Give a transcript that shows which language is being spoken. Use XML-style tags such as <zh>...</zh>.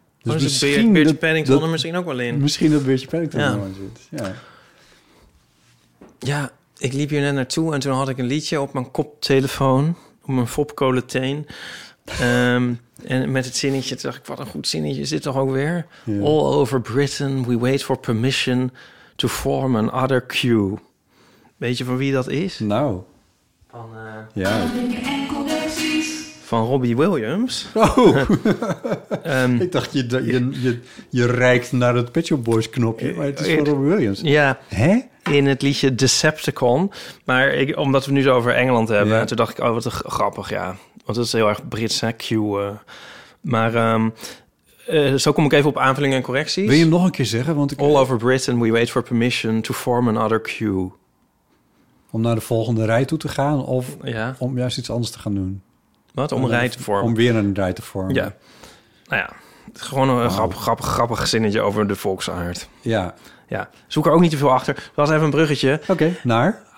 <nl>Dus oh, misschien Beertje Paddington er misschien ook wel in. Misschien dat Beertje Paddington er wel in zit. Ja. Ja, ik liep hier net naartoe en toen had ik een liedje op mijn koptelefoon. Op mijn fopkolenteen. en met het zinnetje dacht ik, wat een goed zinnetje is dit toch ook weer?</nl> <en>Yeah. All over Britain we wait for permission to form an other queue.</en> <nl>Weet je van wie dat is? Nou. Van, ja. Van Robbie Williams. Oh. ik dacht, je reikt naar het Pet Shop Boys knopje, maar het is van Robbie Williams. Ja. Hè? In het liedje Decepticon. Maar ik, omdat we nu zo over Engeland hebben, toen dacht ik, oh, wat grappig, ja. Want dat is heel erg Brits, hè, Q. Maar zo kom ik even op aanvullingen en correcties. Wil je hem nog een keer zeggen? Want</nl> <en>all over Britain, we wait for permission to form another queue.</en> <nl>Om naar de volgende rij toe te gaan of om juist iets anders te gaan doen? Wat? Om een rij te vormen. Om weer een rij te vormen. Ja. Nou ja, gewoon een grappig zinnetje over de volksaard. Ja. Ja, zoek er ook niet te veel achter. Dat was even een bruggetje. Oké, naar?</nl>